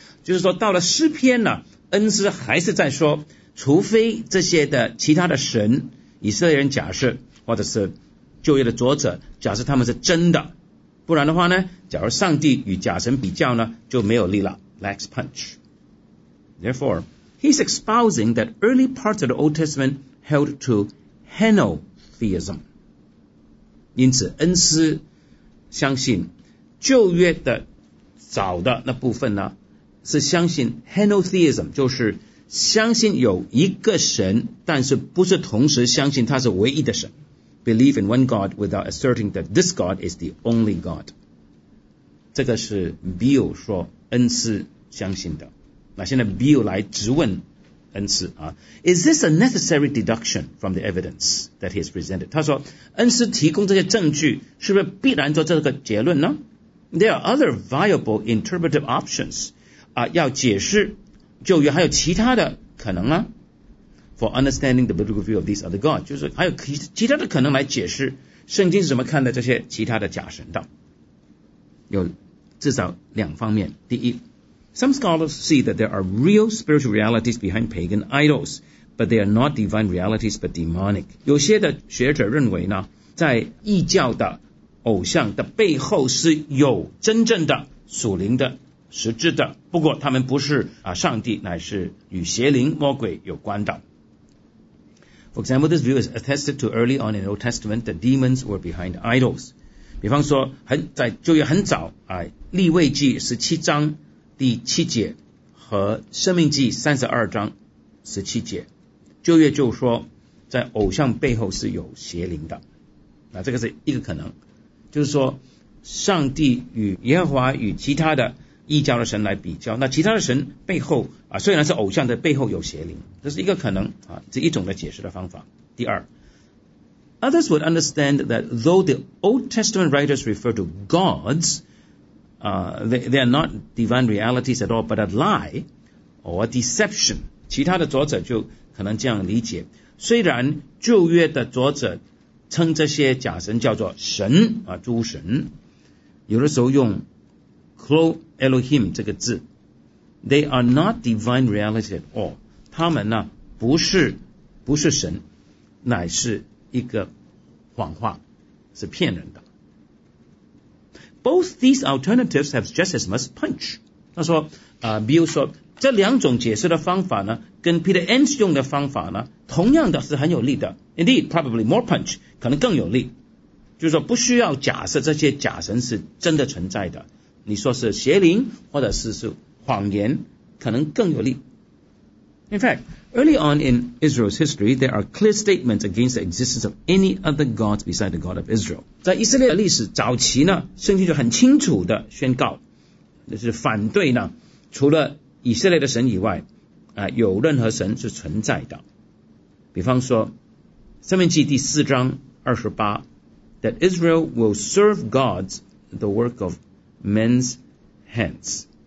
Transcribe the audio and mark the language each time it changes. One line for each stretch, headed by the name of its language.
Chinese: 就是说到了诗篇呢，恩师还是在说，除非这些的其他的神，以色列人假设，或者是旧约的作者，假设他们是真的，不然的话呢，假如上帝与假神比较呢，就没有力了，
English: lacks punch. Therefore, he's espousing that early parts of the Old Testament held to henotheism.
Chinese: 因此恩师相信旧约的早的那部分呢是相信 henotheism， 就是相信有一个神，但是不是同时相信他是唯一的神，
English: believe in one God without asserting that this God is the only God。
Chinese: 这个是 Bill 说恩师相信的。那现在 Bill 来质问恩师啊，
English: Is this a necessary deduction from the evidence that he has presented?
Chinese: 他说恩师提供这些证据是不是必然做这个结论呢？
English: There are other viable interpretive options、
Chinese: 啊、要解释旧约还有其他的可能啊，
English: For understanding the biblical view of these other gods，
Chinese: 就是还有其他的可能来解释圣经是怎么看的这些其他的假神的。有至少两方面，第一，
English: Some scholars see that there are real spiritual realities behind pagan idols, but they are not divine realities, but demonic.
Chinese: 有些的学者认为呢，在异教的偶像的背后是有真正的属灵的实质的，不过他们不是、啊、上帝，乃是与邪灵魔鬼有关的。
English: For example, this view is attested to early on in the Old Testament that demons were behind idols.
Chinese: 比方说很在旧约很早、啊、利未记十七章第七节和生命记三十二章十七节，旧约就说在偶像背后是有邪灵的。那这个是一个可能，就是说上帝与耶和华与其他的异教的神来比较，那其他的神背后啊，虽然是偶像的背后有邪灵，这是一个可能啊，这一种的解释的方法。第二，
English: Others would understand that though the Old Testament writers refer to gods,they are not divine realities at all, but a lie or a deception.
Chinese: 其他的作者就可能这样理解，虽然旧约的作者称这些假神叫做神啊，诸神，有的时候用 klo Elohim 这个字，
English: they are not divine realities at all.
Chinese: 他们呢不是神，乃是一个谎话，是骗人的。
English: Both these alternatives have just as much punch.
Chinese: 他说、比如说这两种解释的方法呢，跟 Peter Enns 用的方法呢，同样的是很有力的。
English: Indeed, probably more punch,
Chinese: 可能更有力。就是说不需要假设这些假神是真的存在的。你说是邪灵或者是谎言，可能更有力。
English: In fact, early on in Israel's history, there are clear statements against the existence of any other gods beside the God of Israel.
Chinese: 在以色列的历史早期呢，圣经就很清楚的宣告，就是反对呢，除了以色列的神以外，啊、有任何神是存在的。比方说，《生命记》第四章二十八
English: ，that Israel will serve gods, the work of men's hands.